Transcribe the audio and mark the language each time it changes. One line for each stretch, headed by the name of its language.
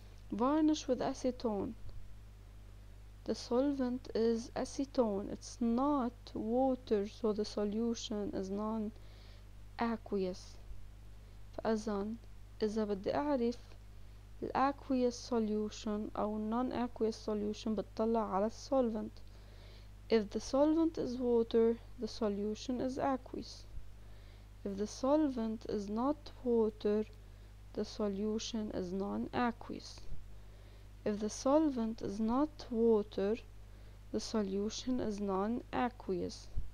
English: varnish with acetone the solvent is acetone it's not water so the solution is non aqueous.
Arabic: فأذن إذا بدي أعرف الـ
English: aqueous solution
Arabic: أو الـ
English: non-aqueous solution
Arabic: بتطلع على الـ solvent.
English: If the solvent is water the solution is aqueous. If the solvent is not water the solution is non-aqueous. If the solvent is not water the solution is non-aqueous.